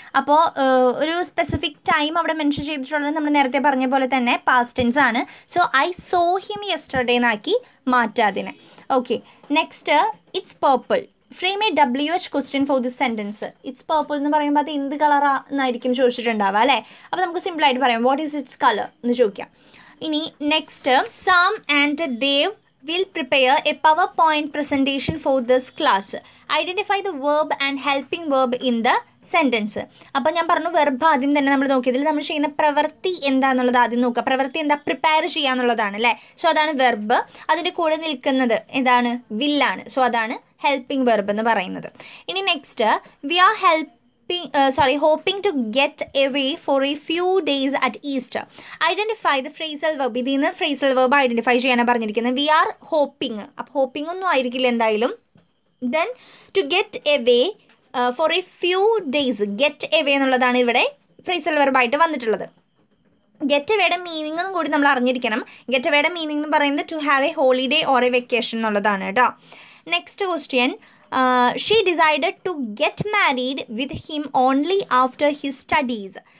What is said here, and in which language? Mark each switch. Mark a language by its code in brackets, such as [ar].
[ml] അപ്പോൾ ഒരു specific time അവിടെ മെൻഷൻ ചെയ്തിട്ടുള്ളത് നമ്മൾ നേരത്തെ പറഞ്ഞ പോലെ തന്നെ പാസ്റ്റ് ടെൻസ് ആണ്. [en] so I saw him yesterday [ml] എന്നാക്കി മാറ്റുക അതിനെ. [en] Okay, next, it's purple. Frame a W H question for this sentence. [ml] It's purple എന്ന് പറയുമ്പോൾ അത് എന്ത് കളറാന്നായിരിക്കും ചോദിച്ചിട്ടുണ്ടാവുക അല്ലേ. അപ്പോൾ നമുക്ക് സിമ്പിളായിട്ട് പറയാം, [en] what is its colour [ml] എന്ന് ചോദിക്കാം. [en] ഇനി next, Sam and Dev will prepare a PowerPoint presentation for this class. Identify the verb and helping verb in the sentence. [ml] അപ്പോൾ ഞാൻ പറഞ്ഞു വെർബ് ആദ്യം തന്നെ നമ്മൾ നോക്കിയതിൽ നമ്മൾ ചെയ്യുന്ന പ്രവൃത്തി എന്താന്നുള്ളത് ആദ്യം നോക്കുക. പ്രവൃത്തി എന്താ? പ്രിപ്പയർ ചെയ്യാന്നുള്ളതാണ് അല്ലേ. സോ അതാണ് വെർബ്. അതിൻ്റെ കൂടെ നിൽക്കുന്നത് എന്താണ്? വില്ലാണ്. സോ അതാണ് ഹെൽപ്പിംഗ് വെർബ് എന്ന് പറയുന്നത്. [en] ഇനി next, we are help hoping to get away for a few days at Easter. Identify the phrasal verb. [ml] ഇതിൽ നിന്ന് ഫ്രേസൽ വെർബ് ഐഡൻറ്റിഫൈ ചെയ്യാനാണ് പറഞ്ഞിരിക്കുന്നത്. [en] We are hoping. [ml] അപ്പോൾ ഹോപ്പിംഗ് ഒന്നും ആയിരിക്കില്ല എന്തായാലും. [en] Then to get away for a few days. [ml] Get away എന്നുള്ളതാണ് ഇവിടെ ഫ്രേസൽ വെർബായിട്ട് വന്നിട്ടുള്ളത്. ഗെറ്റ് എവേയുടെ മീനിങ്ങും കൂടി നമ്മൾ അറിഞ്ഞിരിക്കണം. ഗെറ്റ് എവേയുടെ മീനിങ് എന്ന് പറയുന്നത് [en] to have a holiday or a vacation [ml] എന്നുള്ളതാണ് കേട്ടോ. [en] Next question, she decided to get married with him only after his studies.